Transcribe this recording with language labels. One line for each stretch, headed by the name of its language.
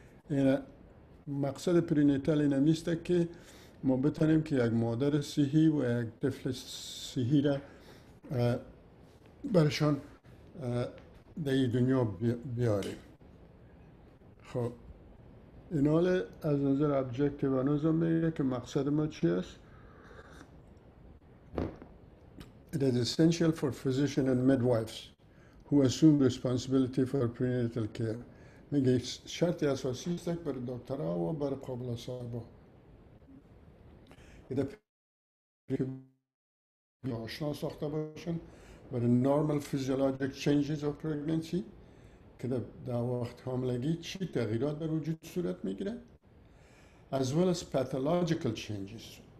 Persian: این مقصد پرینیتال این است که ما بتانیم که یک مادر صحی و یک طفل صحی را برشان در این دنیا بیاریم. خب این حال از نظر ابجکتیو آنوزم میگه که مقصد ما چی است.
English: It is essential for physicians and midwives who assume responsibility for prenatal care.
Persian: میگه شرطی اساسی است بر دکترها و بر قابل صاحبا که آشنا ساخته باشن بر
English: normal physiologic changes of pregnancy
Persian: که در وقت حاملگی چی تغییرات در وجود صورت میگیره
English: as well as pathological changes.